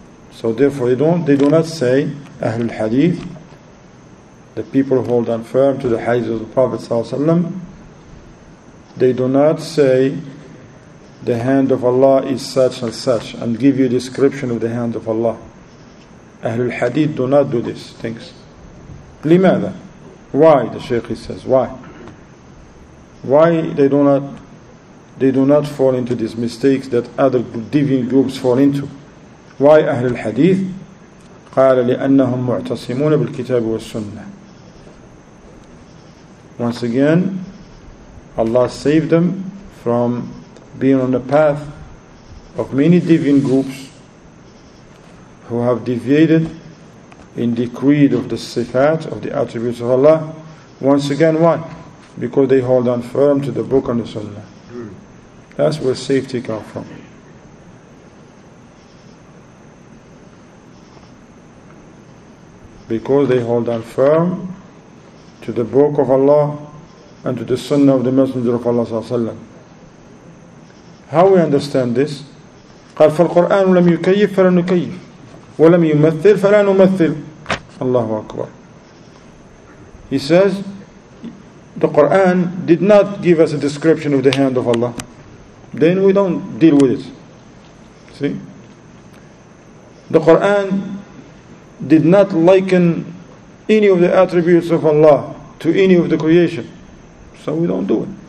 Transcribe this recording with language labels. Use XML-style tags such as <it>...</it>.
<en>So therefore, they do not say, Ahlul Hadith, the people hold on firm to the hadith of the Prophet ﷺ, they do not say the hand of Allah is such and such and give you a description of the hand of Allah. Ahlul Hadith do not do this things.</en> <ar>لماذا?</ar> <en>Why, the Shaykh says, why? Why they do not fall into these mistakes that other deviant groups fall into? Why Ahlul Hadith?</en> <ar>قال لأنهم معتصمون بالكتاب والسنة.</ar> <en>Once again, Allah saved them from being on the path of many deviant groups who have deviated in the creed of the sifat, of the attributes of Allah. Once again, why? Because they hold on firm to the book and the sunnah. That's where safety comes from. Because they hold on firm to the book of Allah and to the sunnah of the Messenger of Allah sallallahu alaihi wasallam. How we understand this?</en> <ar>قال فالقرآن لم يكيف فلا نكيف ولم يمثل فلا نمثل. الله أكبر.</ar> <en>He says, the Quran did not give us a description of the hand of Allah. Then we don't deal with it. See? The Quran did not liken any of the attributes of Allah to any of the creation. So we don't do it.</en>